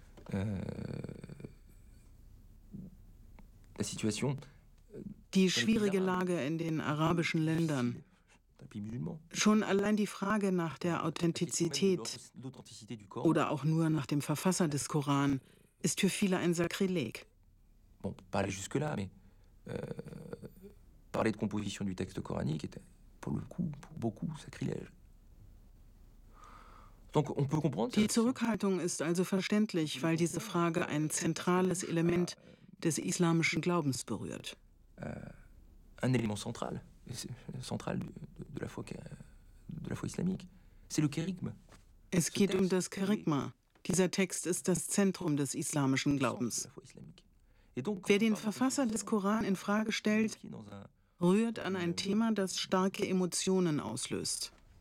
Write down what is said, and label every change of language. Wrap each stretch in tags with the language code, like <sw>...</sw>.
<fr>La situation.</fr> <de>Die schwierige Lage in den arabischen Ländern. Schon allein die Frage nach der Authentizität oder auch nur nach dem Verfasser des Koran ist für viele ein Sakrileg.</de> <fr>Bon, parler jusque-là, mais parler de composition du texte coranique est pour le coup pour beaucoup sacrilège. Donc on peut comprendre.</fr> <de>Die Zurückhaltung ist also verständlich, weil diese Frage ein zentrales Element des islamischen Glaubens berührt.</de> <fr>Un élément central, central de la foi islamique, c'est le kérigme.</fr> <de>Es geht um das Kerygma. Dieser Text ist das Zentrum des islamischen Glaubens. Wer den Verfasser des Koran in Frage stellt, rührt an ein Thema, das starke Emotionen auslöst.</de>